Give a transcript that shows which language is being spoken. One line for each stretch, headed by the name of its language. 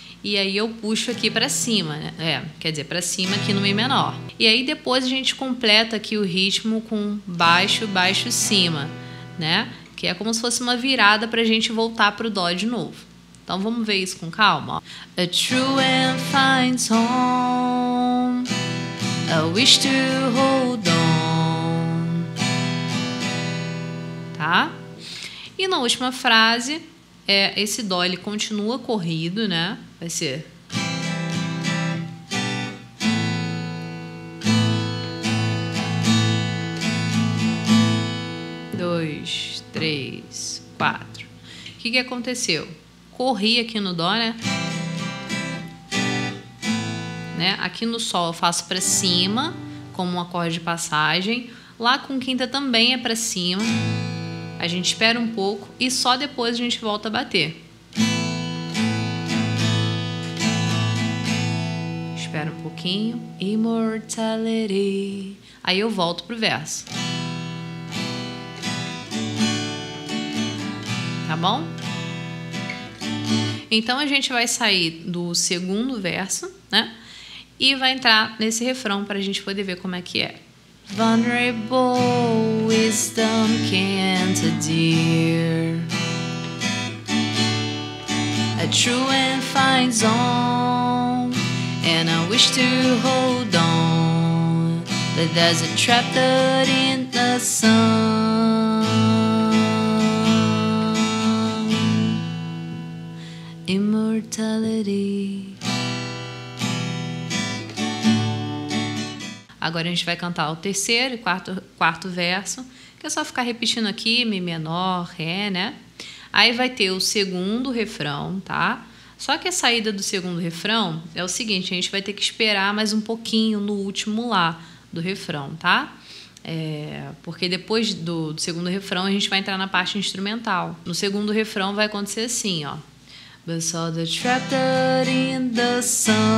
Portuguese: E aí eu puxo aqui pra cima, né? É, quer dizer, pra cima aqui no Mi menor. E aí depois a gente completa aqui o ritmo com baixo, baixo, cima, né? Que é como se fosse uma virada pra gente voltar pro Dó de novo. Então vamos ver isso com calma.
English: A true and fine song, a wish to hold on.
Portuguese: Tá? E na última frase, é, esse Dó ele continua corrido, né? Vai ser. Dois, três, quatro. O que aconteceu? Corri aqui no Dó, né? Aqui no Sol eu faço pra cima, como um acorde de passagem. Lá com quinta também é pra cima. A gente espera um pouco e só depois a gente volta a bater. Espera um pouquinho. Immortality. Aí eu volto pro verso. Tá bom? Então a gente vai sair do segundo verso, né? E vai entrar nesse refrão para a gente poder ver como é que é.
English: Vulnerable wisdom can't adhere. A true and fine zone, and I wish to hold on, but there's a trap that in the sun. Immortality.
Portuguese: Agora a gente vai cantar o terceiro e quarto verso, que é só ficar repetindo aqui, Mi menor, Ré, né? Aí vai ter o segundo refrão, tá? Só que a saída do segundo refrão é o seguinte, a gente vai ter que esperar mais um pouquinho no último Lá do refrão, tá? É, porque depois do segundo refrão a gente vai entrar na parte instrumental. No segundo refrão vai acontecer assim, ó.
English: But saw the trap that in the sun.